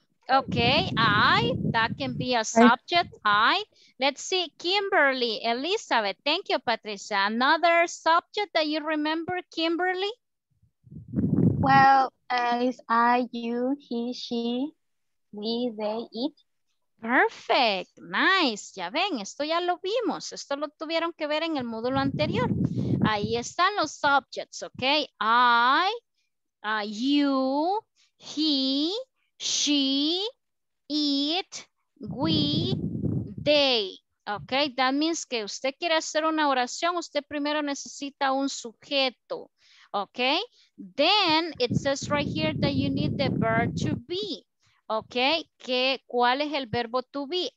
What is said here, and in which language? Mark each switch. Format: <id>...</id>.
<en>Okay, that can be a subject, I. Let's see, Kimberly, Elizabeth, thank you, Patricia. Another subject that you remember, Kimberly? Well, it's I, you, he, she, we, they, it. Perfect, nice.</en> <es>Ya ven, esto ya lo vimos. Esto lo tuvieron que ver en el módulo anterior. Ahí están los</es> <en>subjects, ok. I, you, he, she, it, we, they. Ok, that means</en> <es>que usted quiere hacer una oración, usted primero necesita un sujeto.</es> <en>Okay, then it says right here that you need the verb to be.</en> <es>Okay, que, ¿cuál es el verbo to be?</es>